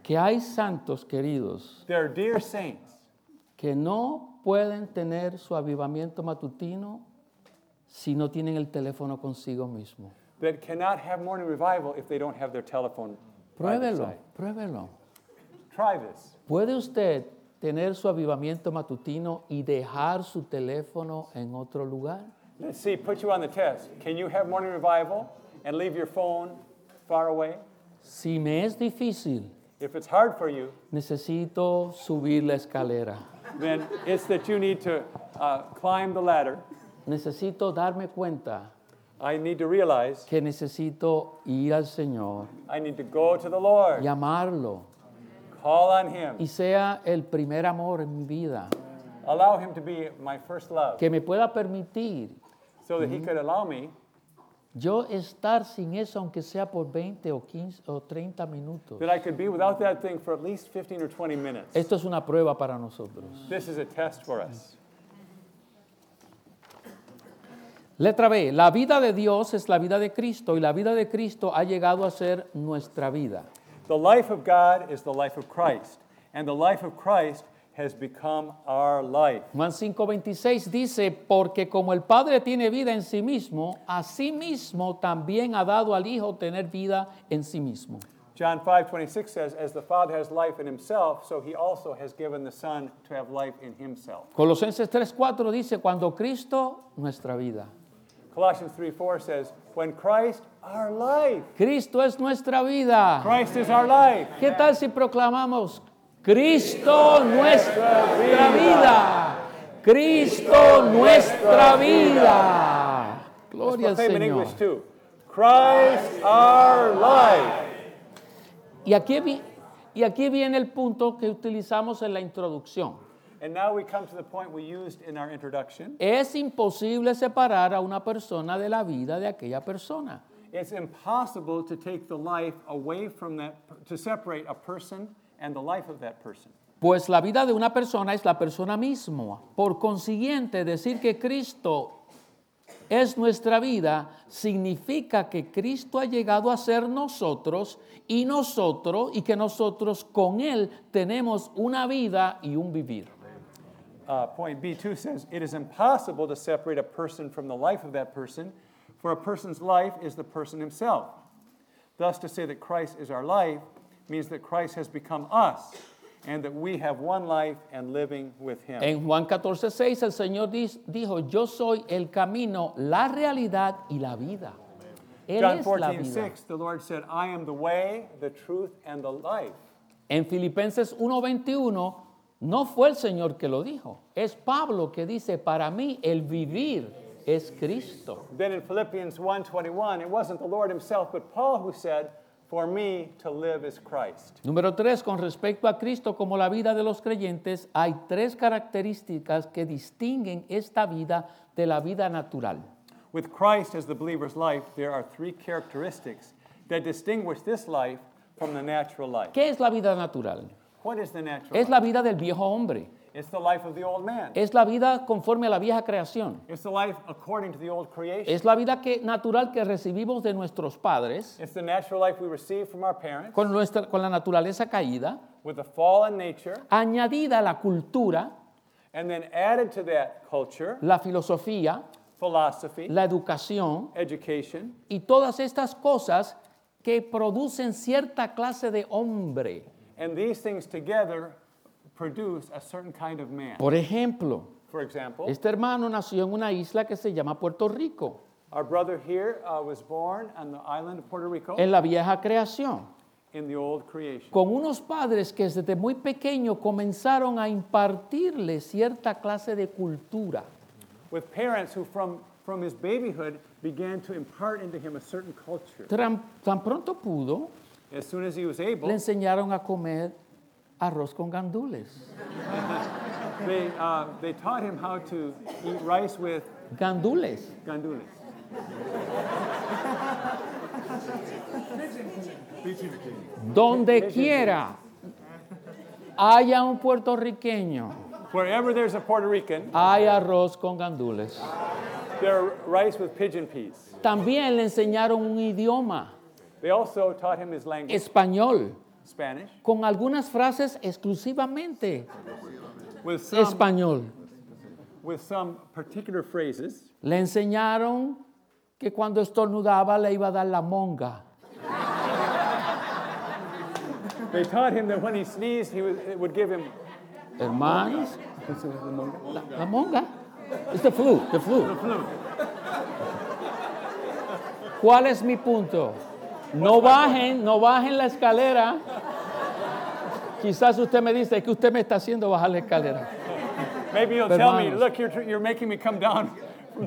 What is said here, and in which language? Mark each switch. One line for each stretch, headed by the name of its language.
Spanish: Que hay santos queridos.
English: There are dear saints.
Spanish: Que no pueden tener su avivamiento matutino si no tienen el teléfono consigo mismo.
English: That cannot have morning revival if they don't have their telephone.
Spanish: Pruébelo, pruébelo.
English: Try this.
Spanish: ¿Puede usted tener su avivamiento matutino y dejar su teléfono en otro lugar?
English: Let's see, put you on the test. Can you have morning revival and leave your phone far away?
Spanish: Si me es difícil,
English: if it's hard for you,
Spanish: necesito subir la escalera.
English: Then it's that you need to climb the ladder.
Spanish: Necesito darme cuenta.
English: I need to realize.
Spanish: Que necesito ir al Señor.
English: I need to go to the Lord.
Spanish: Llamarlo.
English: Call on Him.
Spanish: Y sea el primer amor en mi vida.
English: Allow Him to be my first love.
Spanish: Que me pueda permitir.
English: So that He could allow me.
Spanish: Yo estar sin eso aunque sea por 20 o 15 o 30 minutos.
English: That I could be without that thing for at least 15 or 20 minutes.
Spanish: Esto es una prueba para nosotros.
English: This is a test for us.
Spanish: Letra B. La vida de Dios es la vida de Cristo y la vida de Cristo ha llegado a ser nuestra vida.
English: The life of God is the life of Christ and the life of Christ has become our life.
Spanish: Juan 5:26 dice, porque como el Padre tiene vida en sí mismo, así mismo también ha dado al Hijo tener vida en sí mismo.
English: John 5:26 says, as the Father has life in himself, so he also has given the Son to have life in himself.
Spanish: Colosenses 3:4 dice, cuando Cristo, nuestra vida.
English: Colossians 3:4 says, when Christ, our life.
Spanish: Cristo es nuestra vida.
English: Christ is our life.
Spanish: ¿Qué tal si proclamamos, Cristo, nuestra vida. Cristo, nuestra vida. Gloria al Señor.
English: In English too. Christ, our life.
Spanish: Y aquí viene el punto que utilizamos en la introducción.
English: And now we come to the point we used in our introduction.
Spanish: Es imposible separar a una persona de la vida de aquella persona.
English: It's impossible to take the life away from that, to separate a person and the life of that person.
Spanish: Pues la vida de una persona es la persona misma. Por consiguiente, decir que Cristo es nuestra vida significa que Cristo ha llegado a ser nosotros y nosotros y que nosotros con Él tenemos una vida y un vivir.
English: Point B2 says, it is impossible to separate a person from the life of that person, for a person's life is the person himself. Thus, to say that Christ is our life means that Christ has become us. And that we have one life and living with Him.
Spanish: En Juan 14:6, el Señor dijo, yo soy el camino, la realidad y la vida. Él
English: John 14:6, the Lord said, I am the way, the truth, and the life.
Spanish: En Filipenses 1:21, no fue el Señor que lo dijo. Es Pablo que dice, para mí el vivir es Cristo.
English: Then in Philippians 1:21, it wasn't the Lord Himself, but Paul who said, for me to live is Christ.
Spanish: Número 3, con respecto a Cristo como la vida de los creyentes, hay tres características que distinguen esta vida de la vida natural.
English: With Christ as the believer's life, there are three characteristics that distinguish this life from the natural life.
Spanish: ¿Qué es la vida natural?
English: What is the natural?
Spanish: Es la vida del viejo hombre.
English: It's the life of the old man.
Spanish: Es la vida conforme a la vieja creación.
English: It's the life according to the old creation.
Spanish: Es la vida natural que recibimos de nuestros padres.
English: It's the natural life we receive from our parents.
Spanish: Con la naturaleza caída.
English: With the fallen nature.
Spanish: Añadida a la cultura.
English: And then added to that culture.
Spanish: La filosofía.
English: philosophy,
Spanish: la educación,
English: education,
Spanish: y todas estas cosas que producen cierta clase de hombre.
English: And these things together produce a certain kind of man.
Spanish: Por ejemplo,
English: for example,
Spanish: este hermano nació en una isla que se llama Puerto Rico.
English: Our brother here was born on the island of Puerto Rico.
Spanish: En la vieja creación.
English: In the old creation.
Spanish: Con unos padres que desde muy pequeño comenzaron a impartirle cierta clase de cultura.
English: With parents who from his babyhood began to impart into him a certain culture.
Spanish: Tan pronto pudo,
English: as soon as he was able,
Spanish: le enseñaron a comer arroz con gandules.
English: They taught him how to eat rice with
Spanish: gandules. Gandules. Donde quiera haya un puertorriqueño,
English: wherever there's a Puerto Rican,
Spanish: hay arroz con gandules.
English: There are rice with pigeon peas.
Spanish: También le enseñaron un idioma.
English: They also taught him his language.
Spanish: Español.
English: Spanish.
Spanish: Con algunas frases exclusivamente
English: with
Spanish: español.
English: With some particular phrases.
Spanish: Le enseñaron que cuando estornudaba le iba a dar la monga.
English: They taught him that when he sneezed, it would give him.
Spanish: Hermanos. La monga.
English: It's the flu. The flu.
Spanish: ¿Cuál es mi punto? No bajen la escalera. Quizás usted me dice que usted me está haciendo bajar la escalera.
English: Maybe you'll tell me, look, you're making me come down from